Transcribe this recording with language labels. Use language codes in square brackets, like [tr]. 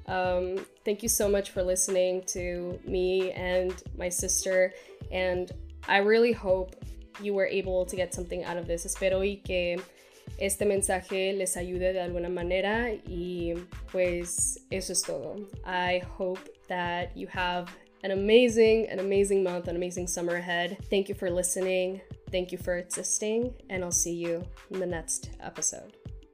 [en] Thank you so much for listening to me and my sister. And I really hope you were able to get something out of this. [es] Espero y que este mensaje les ayude de alguna manera. Y pues eso es todo. [en] I hope that you have an amazing month, an amazing summer ahead. Thank you for listening. Thank you for existing. And I'll see you in the next episode.